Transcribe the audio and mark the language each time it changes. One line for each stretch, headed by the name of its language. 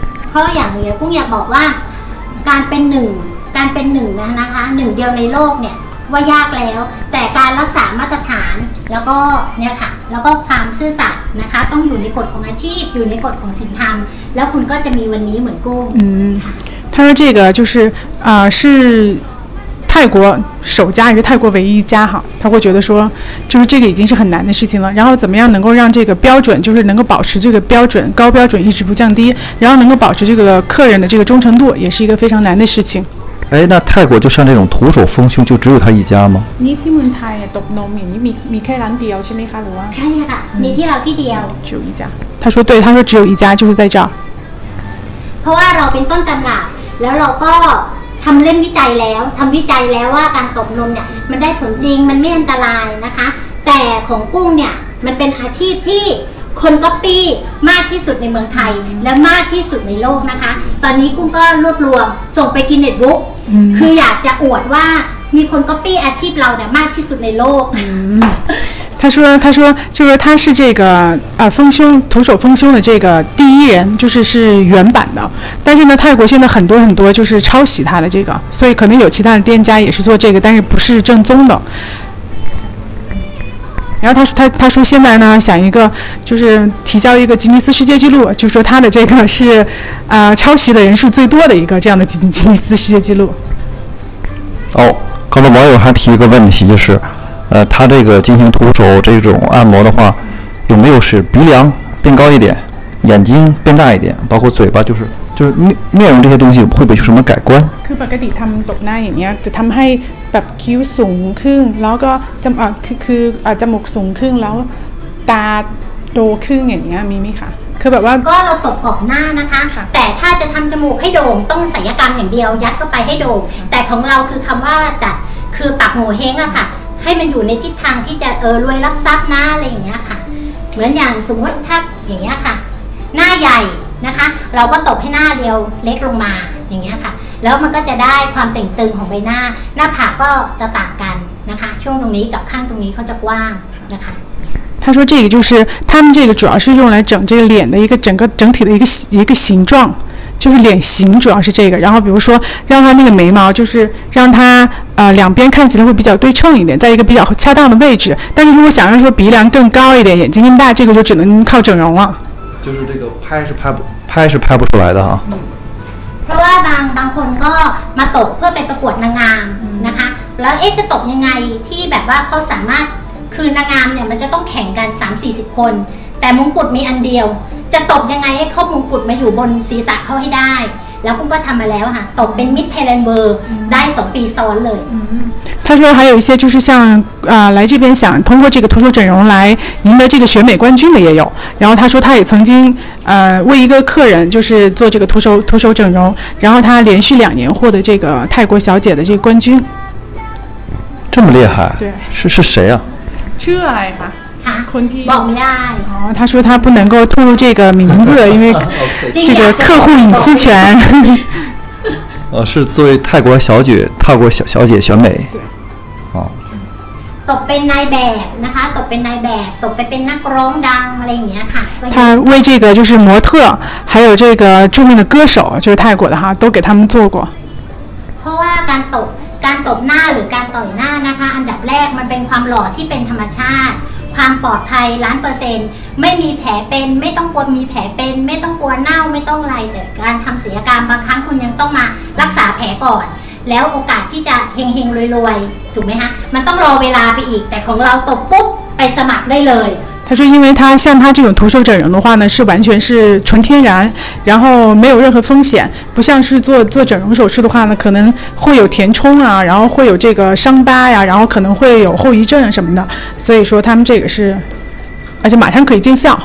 Thai: เขาอย่างเนี่ยกุ้งอยากบอกว่าการเป็นหนึ่งการเป็นหนึ่งนะนะคะหนึ่งเดียวในโลกเนี่ยว่ายากแล้วแต่การรักษามาตรฐานแล้วก็เนี่ยค่ะแล้วก็ความซื่อสัตย์นะคะต้องอยู่ในกฎของอาชีพอยู่ในกฎของศีลธรรมแล้วคุณก็จะมีวันนี้เหมือนกุ้ง
Chinese: ค่ะ他说这个就是啊是泰国首家也是泰国唯一一家哈，他会觉得说就是这个已经是很难的事情了，然后怎么样能够让这个标准就是能够保持这个标准高标准一直不降低，然后能够保持这个客人的这个忠诚度也是一个非常难的事情。哎，那泰国就像这种徒手丰胸就只有他一家吗？你听问他也读农民你没开蓝调去那哈罗啊，开呀你听好几条只有一家，他说对，他说只有一家就是在这儿，因为我们是当地人，然后我们
Thai: ทำเล่นวิจัยแล้วทำวิจัยแล้วว่าการตบนมเนี่ยมันได้ผลจริงมันไม่อันตรายนะคะแต่ของกุ้งเนี่ยมันเป็นอาชีพที่คนก๊อปปี้มากที่สุดในเมืองไทยและมากที่สุดในโลกนะคะตอนนี้กุ้งก็รวบรวมส่งไปกินเน็ตบุ๊กคืออยากจะอวดว่ามีคนก๊อปปี้อาชีพเราเนี่ยมากที่สุดในโลก
Chinese: 他说就是他是这个丰胸徒手丰胸的这个第一人，就是是原版的，但是呢泰国现在很多很多就是抄袭他的这个，所以可能有其他的店家也是做这个，但是不是正宗的。然后他说现在呢想一个就是提交一个吉尼斯世界纪录，就是说他的这个是抄袭的人数最多的一个这样的吉尼斯世界纪录。哦，刚才网友还提一个问题，就是他这个进行徒手这种按摩的话，有没有使鼻梁变高一点，眼睛变大一点，包括嘴巴就是面容这些东西会不会有什么改观？
Thai: คือปกติทำตบหน้าอย่างเงี้ยจะทำให้แบบคิ้วสูงขึ้นแล้วก็จมคือจมูกสูงขึ้นแล้วตาโตขึ้นอย่างเงี้ยมีไหมคะคือแบบว่า ก็เราตบกรอบหน้านะคะแต่ถ้าจะทำจมูกให้โด่งต้องศัลยกรรมอย่างเดียวยัดเข้าไปให้โด่งแต่ของเราคือคำว่าจัดคือปากโหเฮงอะค่ะให้มันอยู่ในทิศทางที่จะรวยรับทรัพย์หน้าอะไรอย่างเงี้ยค่ะเหมือนอย่างสมมติถ้าอย่างเงี้ยค่ะหน้าใหญ่นะคะเราก็ตบให้หน้าเรียวเล็กลงมาอย่างเงี้ยค่ะแล้วมันก็จะได้ความตึงๆของใบหน้าหน้าผากก็จะต่างกันนะคะช่วงตรงนี้กับข้างตรงนี้เขาจะกว้างนะคะ
Chinese: 他说这个就是他们这个主要是用来整这个脸的一个整体的一个形状，就是脸型主要是这个，然后比如说让他那个眉毛就是让他两边看起来会比较对称一点，在一个比较恰当的位置，但是如果想要说鼻梁更高一点，眼睛更大，这个就只能靠整容了。就是这个拍是拍不出来的哈。
Thai: เพราะว่าบางคนก็มาตบเพื่อไปประกวดนางงามนะคะแล้วจะตบยังไงที่แบบว่าเขาสามารถคือนางงามเนี่ยมันจะต้องแข่งกัน 3-40 คนแต่มงกุฎมีอันเดียวจะตบยังไงให้ครอบมงกุฎมาอยู่บนศีรษะเขาให้ได้แล้วกุ้งก็ทำมาแล้วค่ะตบเป็นมิสเทเลนเบอร์ได้2ปีซ้อนเลย
Chinese: 他说还有一些就是像来这边想通过这个徒手整容来赢得这个选美冠军的也有，然后他说他也曾经为一个客人就是做这个徒手整容，然后他连续两年获得这个泰国小姐的这个冠军。这么厉害？对，是谁啊？这还好哦、他说他不能够透露这个名字，因为这个客户隐私权。是作为泰国小姐选美。对。啊。
Thai: ตบเป็นนายแบบนะคะตบเป็นนายแบบตบไปเป็นนักร้องดังอะไรอย่างเงี้ยค่ะ
Chinese: 他为这个就是模特，还有这个著名的歌手，就是泰国的哈，都给他们做过。
Thai: เพราะว่าการตบหน้าหรือการต่อยหน้านะคะอันดับแรกมันเป็นความหล่อที่เป็นธรรมชาติความปลอดภัย 100% ไม่มีแผลเป็นไม่ต้องกลัวมีแผลเป็นไม่ต้องกลัวเน่าไม่ต้องอะไรแต่การทำศัลยกรรมบางครั้งคุณยังต้องมารักษาแผลก่อนแล้วโอกาสที่จะเฮงๆรวยๆถูกไหมฮะมันต้องรอเวลาไปอีกแต่ของเราตบปุ๊บไปสมัครได้เลย
Chinese: 他说因为他像他这种徒手整容的话呢是完全是纯天然，然后没有任何风险，不像是做整容手术的话呢可能会有填充啊，然后会有这个伤疤呀、啊、然后可能会有后遗症什么的，所以说他们这个是而且马上可以见效。